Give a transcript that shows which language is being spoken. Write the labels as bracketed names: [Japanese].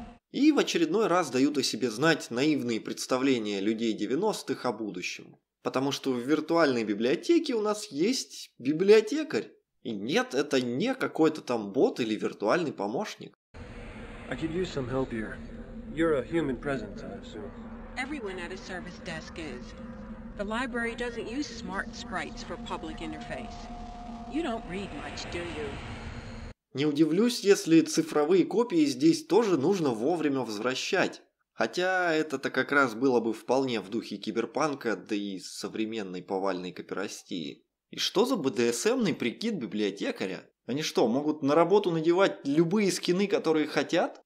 [Russian] И в очередной раз дают о себе знать наивные представления людей 90-х о будущем. Потому что в виртуальной библиотеке у нас есть библиотекарь. И нет, это не какой-то там бот или виртуальный помощник. [English] I could use some help here. You're a human presence, I assume. Everyone at a service desk is. The library doesn't use smart sprites for public interface. You don't read much, do you? [Russian] Не удивлюсь, если цифровые копии здесь тоже нужно вовремя возвращать. Хотя это-то как раз было бы вполне в духе киберпанка, да и современной повальной копирастии. И что за БДСМный прикид библиотекаря? Они что, могут на работу надевать любые скины, которые хотят?